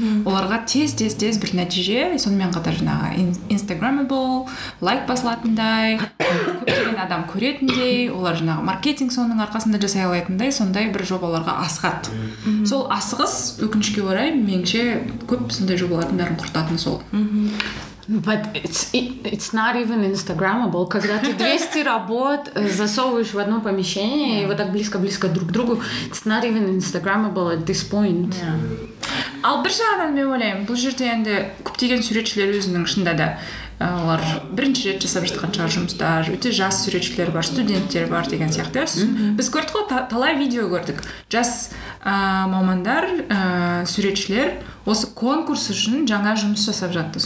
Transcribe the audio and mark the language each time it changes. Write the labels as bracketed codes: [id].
[kk] Оларға тез-тез-тез бір нәтиже, сонымен қатар жаңағы инстаграммабл, лайк басылатындай, көптеген адам көретіндей, олар жаңағы маркетинг соның арқасында жасай алатындай, сондай бір жобаларға асығады. Сол асығыс өкінішке орай меніңше көп сондай жобалардың бәрін құртатыны сол. [en] But it's not even Instagrammable, [ru] когда ты 200 работ засовываешь в одно помещение, и вот так близко-близко друг к другу, [en] it's not even Instagrammable at this point. [kk] Ал бір жағынан мен ойлаймын, бұл жерде енді көптеген суретшілер өзінің ішінде да, олар бірінші рет жасап жатқан шығар жұмыстар, өте жас суретшілер бар, студенттер бар деген сияқты. Біз көрдік қой, талай видео көрдік. Жас мамандар, суретшілер осы конкурс үшін жаңа жұмыс жасап жатты.